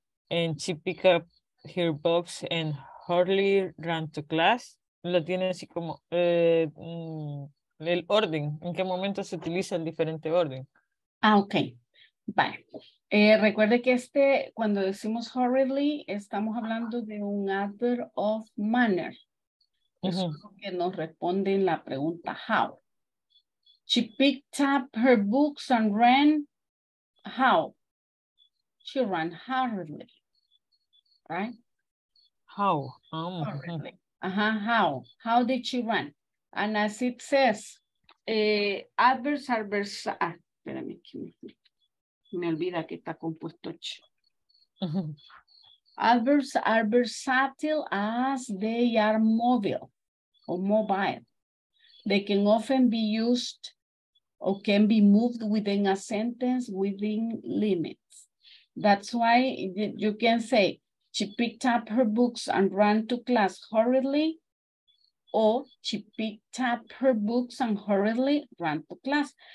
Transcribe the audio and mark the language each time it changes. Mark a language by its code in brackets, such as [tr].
[en] And she picked up her books and hurriedly ran to class. [es] La tiene así como el orden. ¿En qué momento se utiliza el diferente orden? [en] Ah, okay. Bye. [es] Recuerde que este, cuando decimos hurriedly, estamos hablando de un [en] adverb of manner. [es] Uh-huh. Es lo que nos responde en la pregunta how. [en] She picked up her books and ran how. She ran hurriedly. Right? How? How? How did she run? And as it says, adverbs are verbs. [es] Ah, espérame, que me olvida que está compuesto. [en] Adverbs are versatile as they are mobile or mobile. They can often be used or can be moved within a sentence within limits. That's why you can say she picked up her books and ran to class hurriedly, or she picked up her books and hurriedly ran to class.